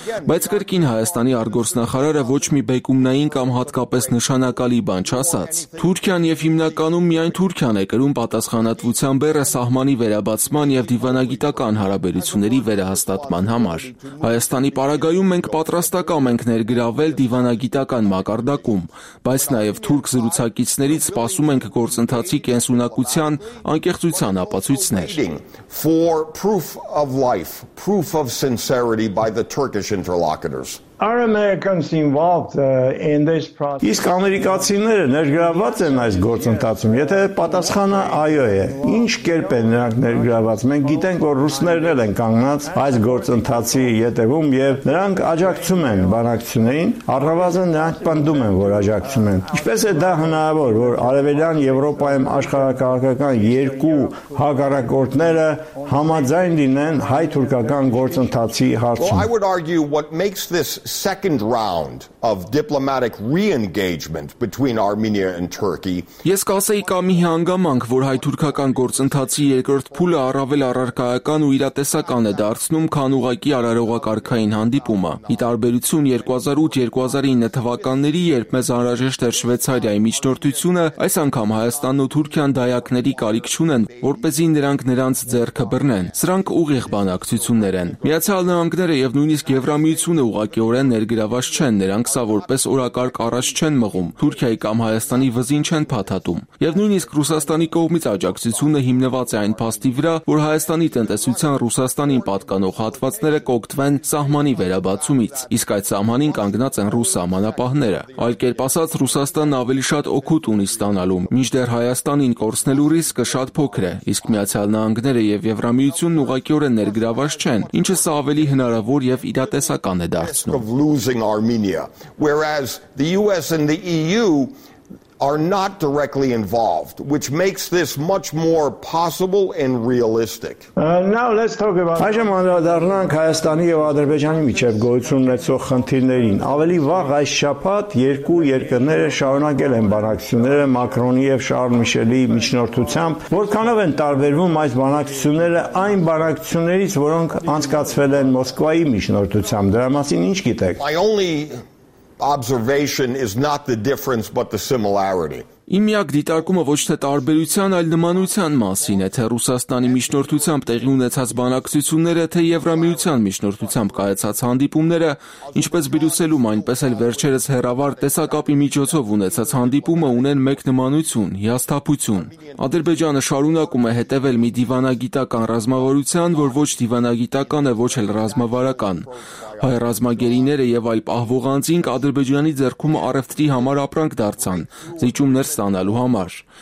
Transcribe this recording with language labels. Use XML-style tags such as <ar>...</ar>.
<hy>Բայց կրկին Հայաստանի արտգործնախարարը ոչ մի բեկումնային կամ հատկապես նշանակալի բան չասաց։ Թուրքիան եւ հիմնականում միայն Թուրքիան է կրում պատասխանատվության բերը սահմանի վերաբացման եւ դիվանագիտական հարաբերությունների վերահաստատման համար։ Հայաստանի պարագայում մենք պատրաստակամ ենք ներգրավել դիվանագիտական մակարդակում, բայց նաեւ թուրք զրուցակիցներից սպասում ենք գործընթացի կենսունակության անկեղծության ապացույցներ.</hy> <en>For proof of life, proof of sincerity by the Turkish interlocutors. Are Americans involved in this process?</en> <hy>Իսկ ամերիկացիները ներգրավված են այս գործընթացում, եթե պատասխանը այո է։ Ինչ կերպ են նրանք ներգրավված։ Մենք գիտենք, որ ռուսներն էլ են կանգնած այս գործընթացի ետևում եւ նրանք աջակցում են բանակցություններին, առավազան նրանք պնդում են, որ աջակցում են։ Ինչպես է դա հնարավոր, որ արևելյան Եվրոպայում աշխարհակաղակական երկու հակառակորդները համաձայն լինեն հայ-թուրքական գործընթացի հարցում։</hy> <en>Second round of diplomatic re-engagement between Armenia and Turkey.</en> <hy>Ես կասեի կամի հանգամանք, որ հայ-թուրքական գործընթացի երկրորդ փուլը առավել առարկայական ու իրատեսական է դարձնում, քան ուղակի արարողակարգային հանդիպումը։ Ի տարբերություն 2008-2009 թվականների, երբ մեզ անհրաժեշտ էր Շվեյցարիայի միջնորդությունը, այս անգամ Հայաստանն ու Թուրքիան դայակների կարիք չունեն, որպեսզի նրանք նրանց ձեռքը բռնեն։ Սրանք ուղիղ բանակցություններ են։ Միացյալ Նահանգները եւ նույնիսկ Եվրամիությունը ուղղակի օրեն ներգրավված չեն, նրանք սա որպես օրակարգ առաջ չեն մղում, Թուրքիայի կամ Հայաստանի վզին չեն փաթաթում։ Եվ նույնիսկ Ռուսաստանի կողմից աջակցությունը հիմնված է այն փաստի վրա, որ Հայաստանի տնտեսության Ռուսաստանին պատկանող հատվածները կօգտվեն սահմանի վերաբացումից, իսկ այդ սահմանին կանգնած են ռուս սահմանապահները։ Այլ կերպ ասած, Ռուսաստանն ավելի շատ օգուտ ունի ստանալու, մինչդեռ Հայաստանին կորցնելու ռիսկը շատ փոքր է, իսկ Միացյալ Նահանգները եւ Եվրամիությունն ուղղակիորեն ներգրավված չեն, ինչը սա ավելի հնարավոր եւ իրատեսական է դարձնում</hy> <en>of losing Armenia, whereas the US and the EU are not directly involved, which makes this much more possible and realistic. Now let's talk about</en> <hy>Այժմ անդրադառնանք Հայաստանի եւ Ադրբեջանի միջև գոյություն ունեցող խնդիրներին։ Ավելի վաղ այս շաբաթ երկու երկրները շարունակել են բանակցությունները Մակրոնի եւ Շարլ Միշելի միջնորդությամբ։ Որքանով են տարբերվում այս բանակցությունները այն բանակցություններից, որոնք անցկացվել են Մոսկվայի միջնորդությամբ։ Դրա մասին ինչ գիտեք։</hy> <en>Observation is not the difference but the similarity.</en> <hy>Իմիակ դիտարկումը ոչ թե տարբերության, այլ նմանության մասին է, թե Ռուսաստանի միջնորդությամբ տեղի ունեցած բանակցությունները, թե Եվրամիության միջնորդությամբ կայացած հանդիպումները, ինչպես Բրյուսելում, այնպես էլ վերջերս հերավար տեսակապի միջոցով ունեցած հանդիպումը ունեն մեկ նմանություն՝ հիասթափություն։ Ադրբեջանը շարունակում է հետևել մի դիվանագիտական ռազմավարության, որ ոչ դիվանագիտական է, ոչ էլ ռազմավարական։ Հայ ռազմագերիները եւ այլ պահվողանցին Ադրբեջանի ձեռքում առևտրի համար ապրանք դարձան, զիջումներ ստանալու համար։</hy>